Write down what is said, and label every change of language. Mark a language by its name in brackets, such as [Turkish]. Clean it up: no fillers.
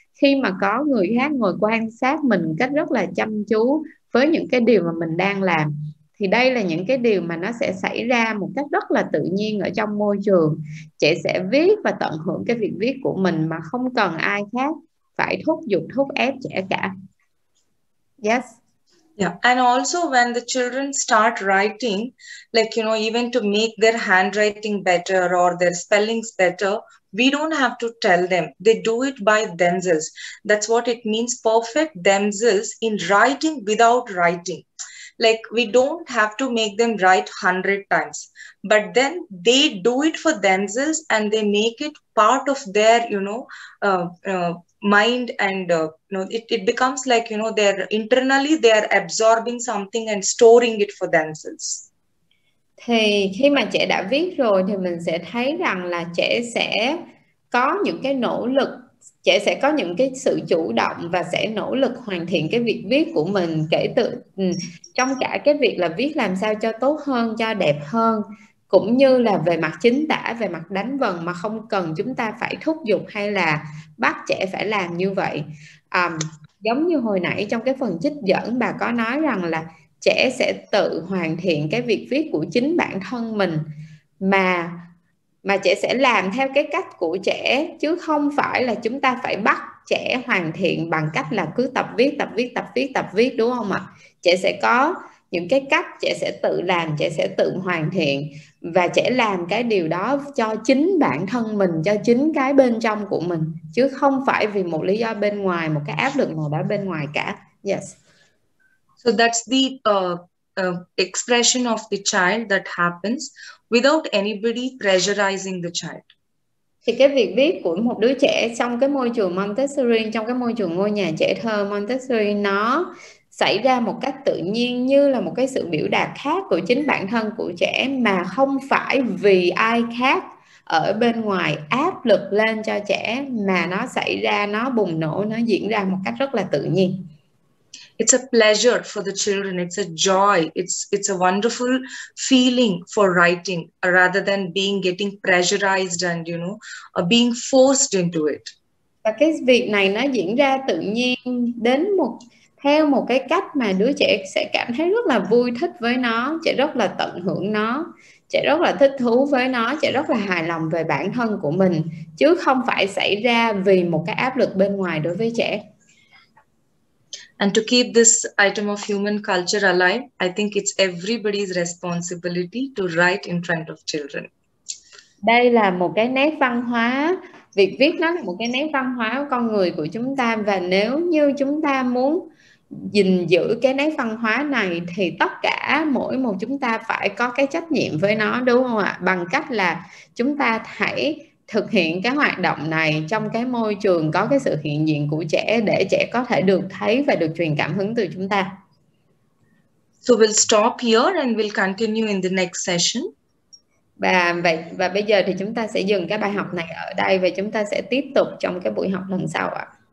[Vietnamese] Khi mà có người khác ngồi quan sát mình cách rất là chăm chú với những cái điều mà mình đang làm, thì đây là những cái điều mà nó sẽ xảy ra một cách rất là tự nhiên ở trong môi trường. Trẻ sẽ viết và tận hưởng cái việc viết của mình mà không cần ai khác phải thúc giục, thúc ép trẻ cả. [English] Yes. Yeah, and also when the children start writing, like, you know, even to make their handwriting better or their spellings better, we don't have to tell them. They do it by themselves. That's what it means, perfect themselves in writing without writing. Like, we don't have to make them write 100 times, but then they do it for themselves and they make it part of their, you know, mind, and you know, it becomes like, you know, they're internally, they're absorbing something and storing it for themselves. [Vietnamese] Thì khi mà trẻ đã viết rồi thì mình sẽ thấy rằng là trẻ sẽ có những cái nỗ lực, trẻ sẽ có những cái sự chủ động và sẽ nỗ lực hoàn thiện cái việc viết của mình, kể từ trong cả cái việc là viết làm sao cho tốt hơn, cho đẹp hơn, cũng như là về mặt chính tả, về mặt đánh vần mà không cần chúng ta phải thúc giục hay là bắt trẻ phải làm như vậy. Giống như hồi nãy trong cái phần trích dẫn bà có nói rằng là trẻ sẽ tự hoàn thiện cái việc viết của chính bản thân mình mà trẻ sẽ làm theo cái cách của trẻ, chứ không phải là chúng ta phải bắt trẻ hoàn thiện bằng cách là cứ tập viết, tập viết, tập viết, tập viết, đúng không ạ? Trẻ sẽ có những cái cách trẻ sẽ tự làm, trẻ sẽ tự hoàn thiện và trẻ làm cái điều đó cho chính bản thân mình, cho chính cái bên trong của mình, chứ không phải vì một lý do bên ngoài, một cái áp lực nào đó bên ngoài cả. [English] Yes. So that's the expression of the child that happens without anybody pressurizing the child. [Vietnamese] Thì cái việc viết của một đứa trẻ trong cái môi trường Montessori, trong cái môi trường ngôi nhà trẻ thơ Montessori, nó xảy ra một cách tự nhiên như là một cái sự biểu đạt khác của chính bản thân của trẻ mà không phải vì ai khác ở bên ngoài áp lực lên cho trẻ, mà nó xảy ra, nó bùng nổ, nó diễn ra một cách rất là tự nhiên. [English] It's a pleasure for the children. It's a joy. It's a wonderful feeling for writing rather than being getting pressurized and, you know, being forced into it. [Vietnamese] Và cái việc này nó diễn ra tự nhiên đến một theo một cái cách mà đứa trẻ sẽ cảm thấy rất là vui thích với nó, trẻ rất là tận hưởng nó, trẻ rất là thích thú với nó, trẻ rất là hài lòng về bản thân của mình, chứ không phải xảy ra vì một cái áp lực bên ngoài đối với trẻ. [English] And to keep this item of human culture alive, I think it's everybody's responsibility to write in front of children. [Vietnamese] Đây là một cái nét văn hóa, việc viết nó là một cái nét văn hóa của con người của chúng ta, và nếu như chúng ta muốn gìn giữ cái nét văn hóa này thì tất cả mỗi một chúng ta phải có cái trách nhiệm với nó, đúng không ạ? Bằng cách là chúng ta hãy thực hiện cái hoạt động này trong cái môi trường có cái sự hiện diện của trẻ để trẻ có thể được thấy và được truyền cảm hứng từ chúng ta. [English] So we'll stop here and we'll continue in the next session. [Vietnamese] Và bây giờ thì chúng ta sẽ dừng cái bài học này ở đây và chúng ta sẽ tiếp tục trong cái buổi học lần sau ạ.